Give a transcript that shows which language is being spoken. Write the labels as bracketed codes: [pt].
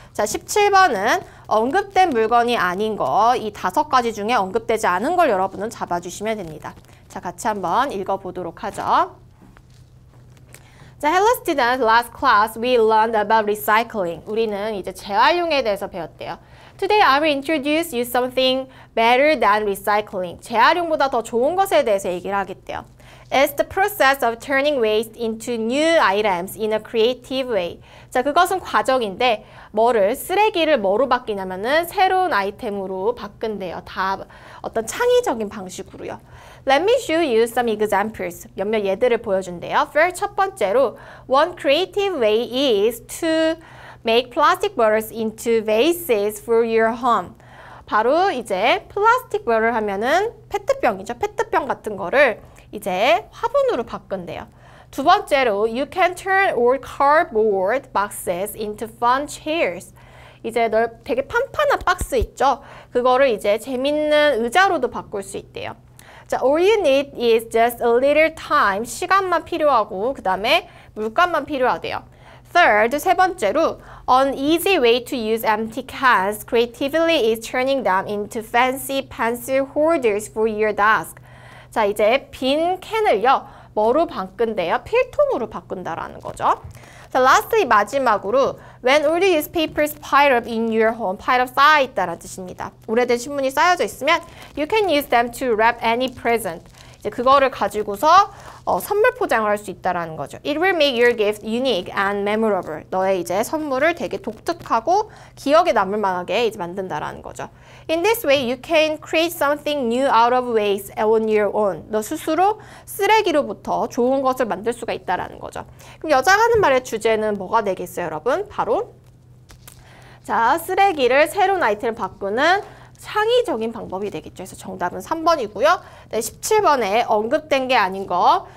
[ko] 자, 17번은 언급된 물건이 아닌 거, 이 다섯 가지 중에 언급되지 않은 걸 여러분은 잡아주시면 됩니다. 자, 같이 한번 읽어보도록 하죠. 자, [en] hello students. Last class we learned about recycling. [ko] 우리는 이제 재활용에 대해서 배웠대요. [en] Today I will introduce you something better than recycling. [ko] 재활용보다 더 좋은 것에 대해서 얘기를 하겠대요. [en] It's the process of turning waste into new items in a creative way. [ko] 자, 그것은 과정인데 뭐를 쓰레기를 뭐로 바뀌냐면은 새로운 아이템으로 바꾼대요. 다 어떤 창의적인 방식으로요. [en] Let me show you some examples. [ko] 몇몇 예들을 보여준대요. [en] First, [ko] 첫 번째로 [en] one creative way is to make plastic bottles into vases for your home. [ko] 바로 이제 plastic bottle 하면은 페트병이죠. 페트병 같은 거를 이제 화분으로 바꾼대요. 두 번째로 [en] you can turn old cardboard boxes into fun chairs. [ko] 이제 되게 판판한 박스 있죠? 그거를 이제 재밌는 의자로도 바꿀 수 있대요. 자, [en] all you need is just a little time. [ko] 시간만 필요하고 그 다음에 물감만 필요하대요. [en] Third, [ko] 세 번째로 [en] an easy way to use empty cans creatively is turning them into fancy pencil holders for your desk. [ko] 자, 이제 빈 캔을요. 뭐로 바꾼대요? 필통으로 바꾼다라는 거죠. 자, [en] lastly, [ko] 마지막으로 [en] when all the newspapers pile up in your home, pile up [ko] 쌓아있다라는 뜻입니다. 오래된 신문이 쌓여져 있으면 [en] you can use them to wrap any present. [ko] 이제 그거를 가지고서 선물 포장을 할 수 있다라는 거죠. [en] It will make your gift unique and memorable. [ko] 너의 이제 선물을 되게 독특하고 기억에 남을 만하게 이제 만든다라는 거죠. [en] In this way, you can create something new out of waste on your own. [ko] 너 스스로 쓰레기로부터 좋은 것을 만들 수가 있다라는 거죠. 그럼 여자가 하는 말의 주제는 뭐가 되겠어요, 여러분? 바로 자, 쓰레기를 새로운 아이템을 바꾸는 창의적인 방법이 되겠죠. 그래서 정답은 3번이고요. 네, 17번에 언급된 게 아닌 거.